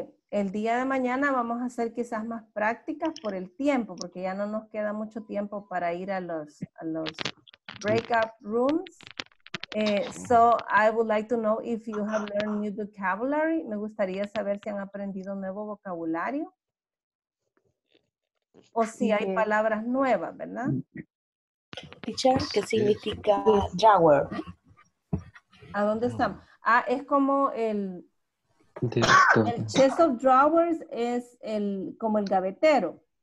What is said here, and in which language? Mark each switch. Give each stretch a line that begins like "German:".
Spanish: El día de mañana vamos a hacer quizás más prácticas por el tiempo, porque ya no nos queda mucho tiempo para ir a los breakout rooms.
English: So I would like to know if you have learned new vocabulary.
Spanish: Me gustaría saber si han aprendido nuevo vocabulario. O si hay palabras nuevas, ¿verdad? Teacher, ¿qué significa drawer? ¿A dónde están? Ah, es como el chest of drawers es como el gavetero.